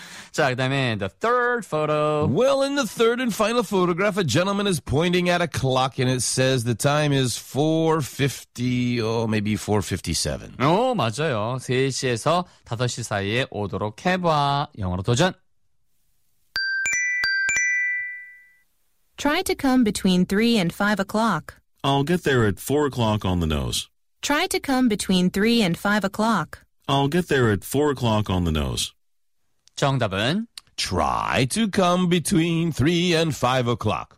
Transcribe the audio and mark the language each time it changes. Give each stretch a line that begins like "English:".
Korean: 자, 그 다음에
English: the third photo. Well, in the third and final photograph, a gentleman is pointing at a clock and it says the time is 4:50 or maybe 4:57.
Korean: 오, 맞아요. 3시에서 5시 사이에 오도록 해봐. 영어로 도전.
English: Try to come between 3 and 5 o'clock. I'll get there at 4 o'clock on the nose. Try to come between 3 and 5 o'clock. I'll get there at 4 o'clock on the nose.
Korean: 정답은?
English: Try to come between 3 and 5 o'clock.